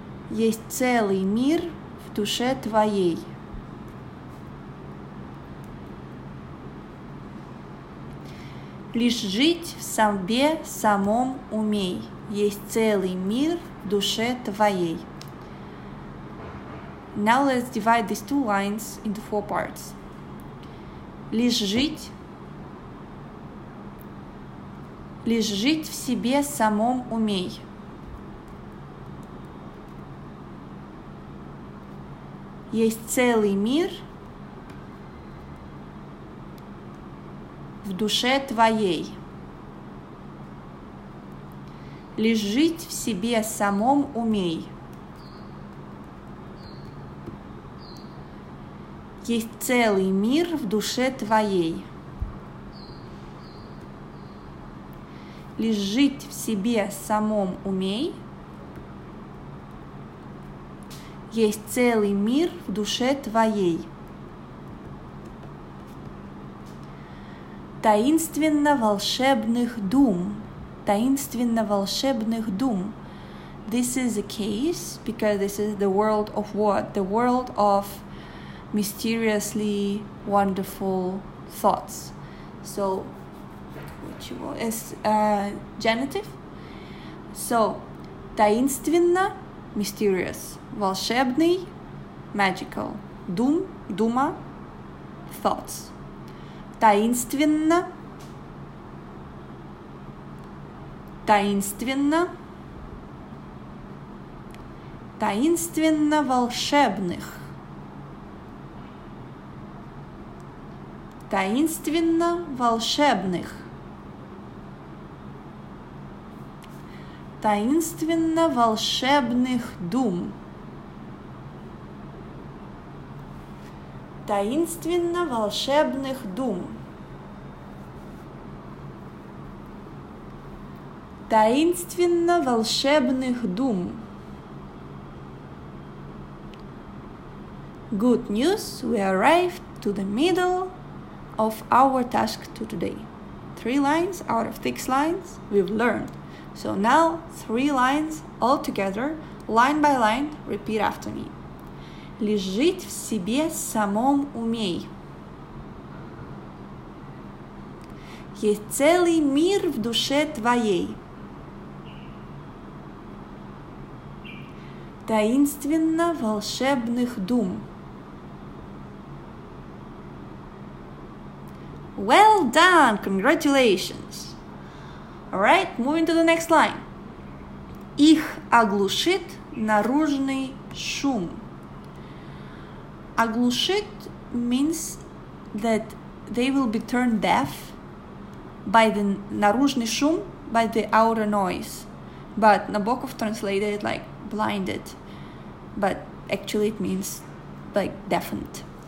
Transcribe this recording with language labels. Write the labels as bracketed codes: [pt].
[ru] Есть целый мир в душе твоей. Лишь жить в себе самом умей. Есть целый мир в душе твоей. [en] Now let's divide these two lines into four parts. [ru] Лишь жить в себе самом умей. Есть целый мир в душе твоей. Лишь жить в себе самом умей. Есть целый мир в душе твоей. Лишь жить в себе самом умей. Есть целый мир в душе твоей. Таинственно-волшебных дум. Таинственно-волшебных дум. [en] This is a case because this is the world of what? The world of mysteriously wonderful thoughts. So, what you want? It's genitive. So, таинственно, mysterious. [ru] Волшебный, magical. Дум, дума, thoughts. Таинственно. Таинственно. Таинственно волшебных. Таинственно волшебных. Таинственно волшебных дум. Таинственно волшебных дум. Таинственно волшебных дум. [en] Good news, we arrived to the middle of our task to today. 3 lines out of 6 lines we've learned. So now 3 lines all together, line by line, repeat after me. [ru] Лежит в себе самом уме. Есть целый мир в душе твоей. Таинственно волшебных дум. [en] Well done! Congratulations! Alright, moving to the next line. [ru] Их оглушит наружный шум. [en] Оглушит means that they will be turned deaf by the [ru] наружный шум, [en] by the outer noise. But Nabokov translated it like blinded. But actually it means like deafened.